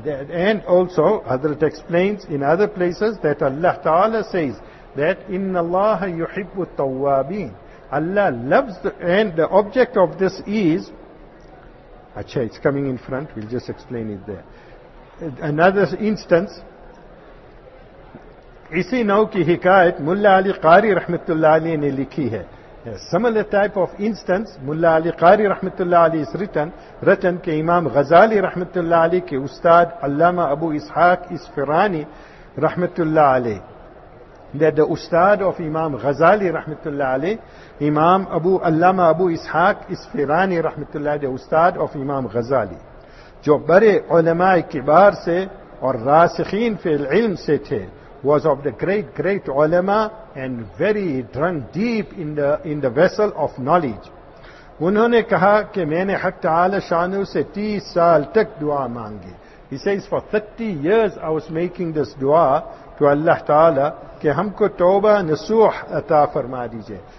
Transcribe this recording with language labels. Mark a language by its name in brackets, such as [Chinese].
[English] And also, Hazrat explains in other places that Allah Ta'ala says that [Arabic] Inna Allah yuhibbu tawwabin. [English] Allah loves, and the object of this is, achha, it's coming in front, we'll just explain it there. Another instance, [Urdu] اسی نو کی حکایت ملا علی قاری رحمت اللہ علی نے لکھی ہے. [English] Similar type of instance, [Urdu] ملا علی قاری رحمت اللہ علی is written کہ امام غزالی رحمت اللہ علی کے استاد علامہ ابو اسحاق اسفرانی رحمت اللہ علی, that the استاد of امام غزالی رحمت اللہ علی, امام ابو علامہ ابو اسحاق اسفرانی رحمت اللہ علی, the استاد of امام غزالی, جو بڑے علماء کبار سے اور راسخین فی العلم سے تھے, [English] was of the great, great ulama and very drunk deep in the vessel of knowledge. [Urdu] Unhone kaha ke maine Haq Taala shanu se 30 saal tak dua mangi. [English] He says, for 30 years I was making this dua to Allah Ta'ala, [Urdu] ke humko tawbah nasuh ata farma dijiye.